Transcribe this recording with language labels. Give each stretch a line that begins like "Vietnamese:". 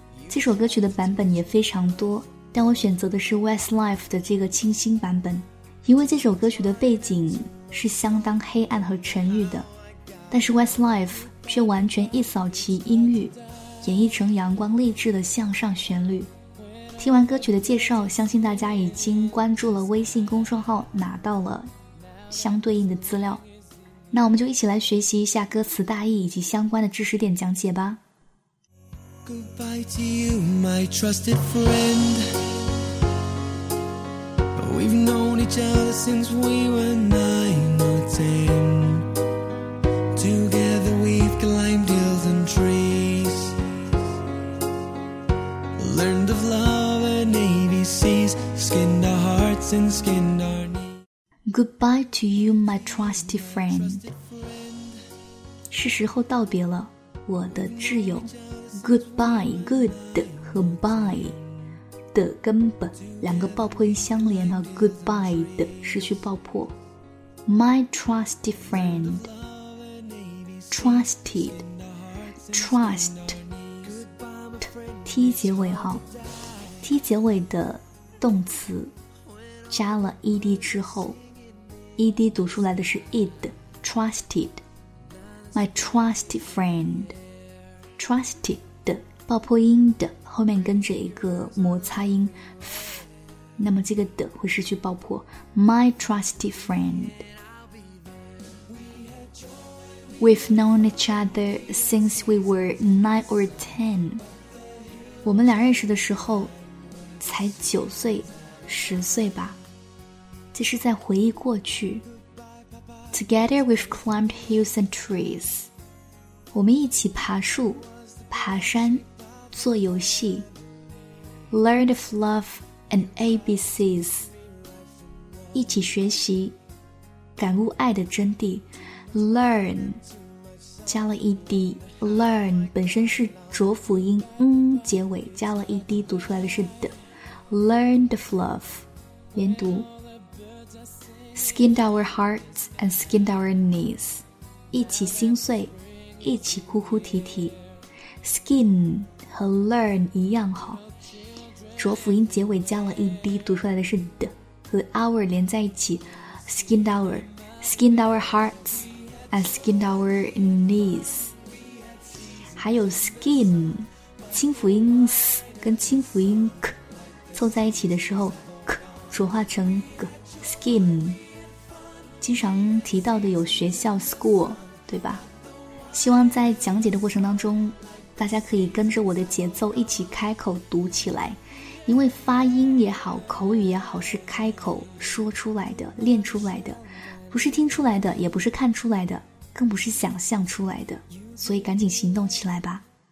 Chinese: 这首歌曲的版本也非常多，但我选择的是 Westlife 的这个清新版本，因为这首歌曲的背景是相当黑暗和沉郁的，但是 Westlife 却完全一扫其阴郁，演绎成阳光励志的向上旋律。听完歌曲的介绍，相信大家已经关注了微信公众号，拿到了相对应的资料。那我们就一起来学习一下歌词大意以及相关的知识点讲解吧。
English: Goodbye to you, my trusted friend. We've known each other since we were 9 or 10. Together we've climbed hills and trees, learned of love and ABCs, skinned our hearts and skinned our knees. Goodbye to you, my trusted friend.
Chinese: 是时候道别了，我的挚友。Goodbye, good 和 bye 的根本两个爆破音相连啊。 Goodbye 的失去爆破。
English: My trusted friend, trusted, trust,
Chinese: t 结尾哈 ，t 结尾的动词加了 ed 之后 ，ed 读出来的是 id,
English: trusted, my trusted friend, trusted。
Chinese: 爆破音的后面跟着一个摩擦音 F, 那么这个的会失去爆破。
English: My trusted friend. We've known each other since we were 9 or 10.
Chinese: 我们俩认识的时候才9岁10岁吧，这是在回忆过去。
English: Together we've climbed hills and trees.
Chinese: 我们一起爬树爬山做游戏。
English: Learn of love and ABCs,
Chinese: 一起学习感悟爱的真谛。 Learn 加了 ED, Learn 本身是浊辅音嗯结尾，加了 ED 读出来的是的。
English: Learn of love
Chinese: 连读。
English: Skinned our hearts and skinned our knees,
Chinese: 一起心碎一起哭哭啼啼。 Skin和 learn 一样好，浊辅音结尾加了 ed 读出来的是的，和 our 连在一起
English: skinned our, skinned our hearts and skinned our knees.
Chinese: 还有 skin 轻辅音 s 跟轻辅音 k 凑在一起的时候 k 浊化成 g, skin 经常提到的有学校 school 对吧。希望在讲解的过程当中大家可以跟着我的节奏一起开口读起来，因为发音也好口语也好是开口说出来的练出来的，不是听出来的，也不是看出来的，更不是想象出来的，所以赶紧行动起来吧。